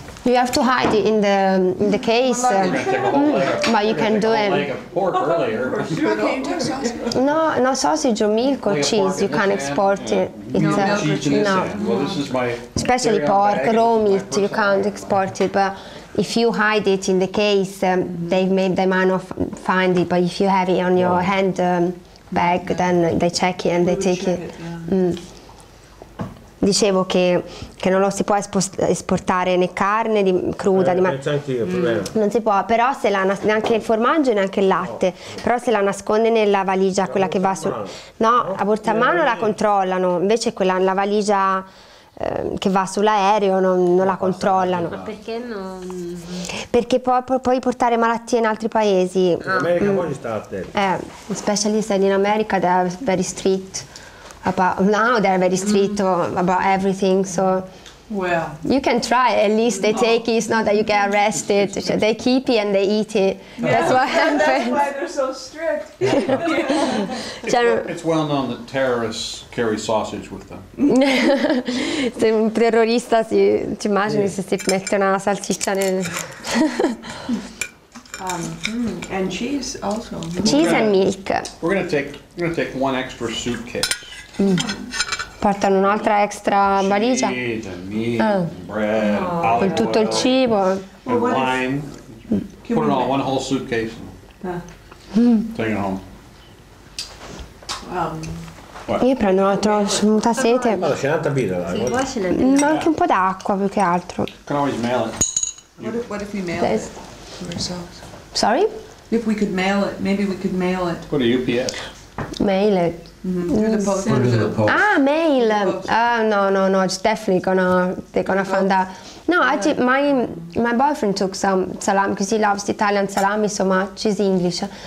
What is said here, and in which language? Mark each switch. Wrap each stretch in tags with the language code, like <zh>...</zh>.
<en>you have to hide it in the case but you can do it no sausage or milk or cheese you can't export it. It's no. Especially pork, raw meat, you can't export it. But if you hide it in the case, they might not find it. But if you have it on your hand bag, then they check it and they take it. Yeah.</en> <it>dicevo che non lo si può esportare né carne di, cruda, di anche io, problema. Non si può, però se la neanche il formaggio e neanche il latte, no. Però se la nasconde nella valigia, quella che va su, no, a porta a mano la controllano, invece quella la valigia che va sull'aereo non la controllano. Ma perché non? Perché puoi portare malattie in altri paesi. In America poi ci sta attento.</it> <en>Specialist in America, they're very strict. About now they're very strict about everything, so. Well. You can try, at least they take it, it's not that you get arrested. So they keep it and they eat it. Yeah. That's what happens. That's why they're so strict. It's well known that terrorists carry sausage with them.</en> <it>Se un terrorista si ti immagini se si mette una salsiccia nel.</it> <en>And cheese also. Cheese and milk. We're gonna take one extra suitcase.</en> <it>Portano un'altra extra valigia con tutto il cibo</it> <en>e wine. Put it on one whole suitcase. Take it home.</en> <it>Io prendo un altro smuta sete. Ma c'è un'altra birra, ma anche un po' d'acqua più che altro.</it> <en>Can always mail it. What if we mail it ourselves? Sorry? If we could mail it, maybe we could mail it. Put a UPS. Mail it. Mm-hmm. Mail. No, it's definitely gonna, they're gonna find out. No, yeah. My boyfriend took some salami because he loves Italian salami so much, he's English.</en>